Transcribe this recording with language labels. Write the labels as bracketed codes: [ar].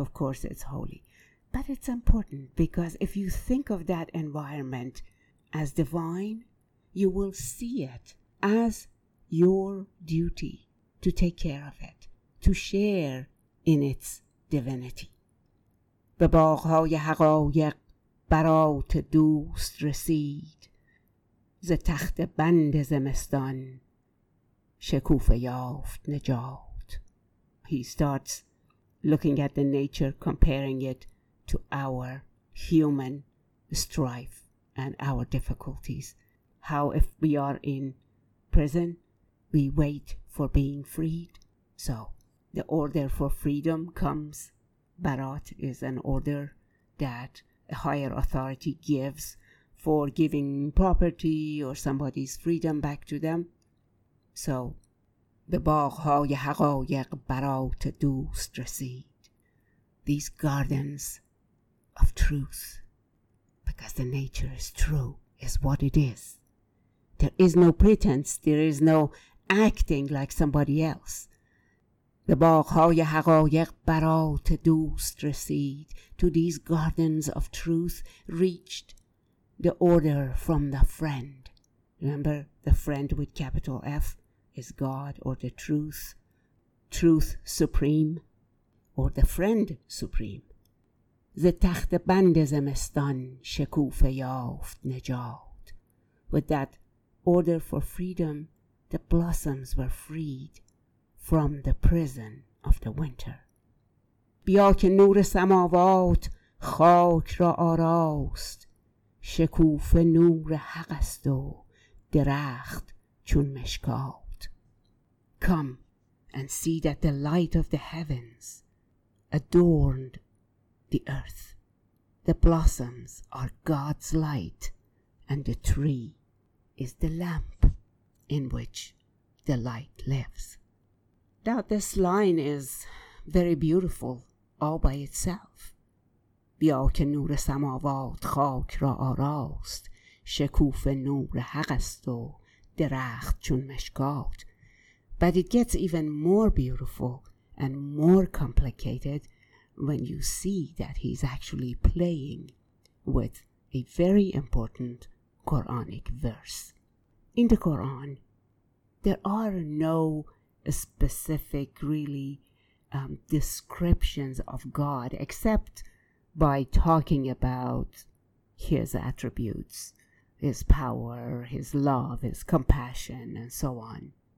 [en] Of course, it's holy. But it's important because if you think of that environment as divine, you will see it as your duty to take care of it, to share in its divinity. [fa] به باغهای حقایق برات دوست رسید ز تخت بند زمستان شکوفه یافت نجات. [en] He starts looking at the nature, comparing it to our human strife and our difficulties. How if we are in prison, we wait for being freed. So the order for freedom comes. Barat is an order that a higher authority gives for giving property or somebody's freedom back to them. [fa] So, به باغهای حقایق برات دوست رسید. [en] These gardens of truth, because the nature is true, is what it is. There is no pretense, there is no acting like somebody else. [fa] به باغهای حقایق برات دوست رسید. [en] To these gardens of truth reached the order from the friend. Remember, the friend with capital F is God or the truth. Truth supreme or the friend supreme. [fa] ز تخت بند زمستان شکوفه یافت نجات. [en] With that order for freedom, the blossoms were freed from the prison of the winter. [fa] بیا که نور سماوات خاک را آراست. شکوفه نور حق است و درخت چون مشکات. [en] Come and see that the light of the heavens adorned the earth. The blossoms are God's light and the tree is the lamp in which the light lives. Now this line is very beautiful all by itself. [fa] بیا که نور سماوات خاک را آراست. شکوفه نور حق است و درخت چون مشکات. [en] But it gets even more beautiful and more complicated when you see that he's actually playing with a very important Quranic verse. In the Quran, there are no specific, really, descriptions of God except by talking about his attributes, his power, his love, his compassion, and so on.